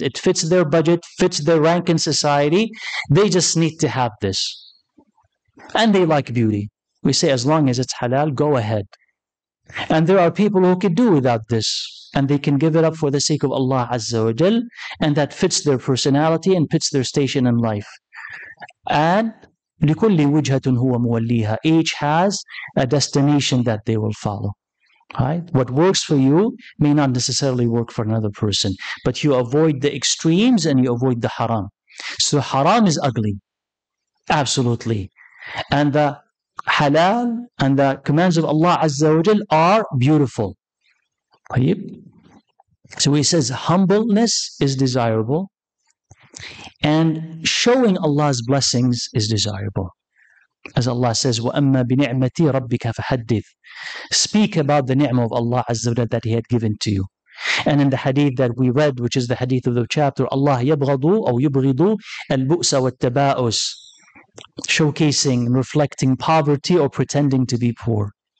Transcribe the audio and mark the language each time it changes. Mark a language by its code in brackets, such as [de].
[en] It fits their budget, fits their rank in society. They just need to have this. And they like beauty. We say, as long as it's halal, go ahead. And there are people who could do without this, and they can give it up for the sake of Allah Azza wa Jal, and that fits their personality and fits their station in life. [ar] And لِكُلِّ وِجْهَةٌ هُوَ مُوَلِّيهَا. [en] Each has a destination that they will follow. Right? What works for you may not necessarily work for another person, but you avoid the extremes and you avoid the haram. So haram is ugly. Absolutely. And the halal and the commands of Allah Azza wa Jal are beautiful. So he says, humbleness is desirable. And showing Allah's blessings is desirable. As Allah says, [ar] وَأَمَّا بِنِعْمَةِ رَبِّكَ فَحَدِّثْ. [en] Speak about the ni'mah of Allah Azza wa Jal that He had given to you. And in the hadith that we read, which is the hadith of the chapter, Allah [ar] يَبْغَضُ أَوْ يُبْغِضُ الْبُؤْسَ وَالتَّبَاؤُسِ. [en] Showcasing and reflecting poverty or pretending to be poor.